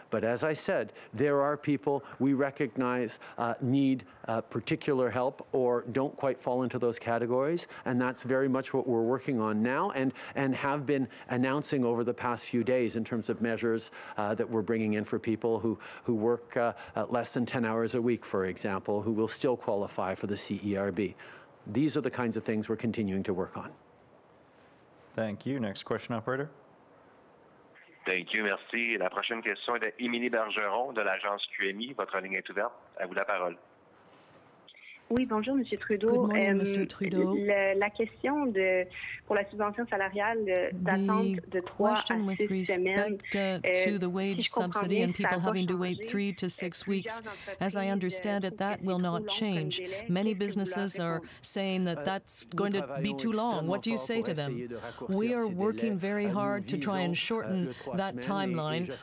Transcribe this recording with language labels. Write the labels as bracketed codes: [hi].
[en] But as I said, there are people we recognize need particular help or don't quite fall into those categories, and that's very much what we're working on now and have been announcing over the past few days in terms of measures that we're bringing in for people who work less than 10 hours a week, for example, who will still qualify for the CERB. These are the kinds of things we're continuing to work on. Thank you. Next question, operator. Thank you, merci. [fr] La prochaine question est d'Émilie Bergeron de l'agence QMI. Votre ligne est ouverte. À vous la parole. Oui, bonjour, Monsieur Trudeau. [en] Good morning, Mr. Trudeau. [fr] La question de pour la subvention salariale d'attente de 3 à 6 semaines. [en] To the wage subsidy and people having to wait 3 to 6 weeks, as I understand it, that will not change. Many businesses are saying that that's going to be too long. What do you say to them? We are working very hard to try and shorten that timeline.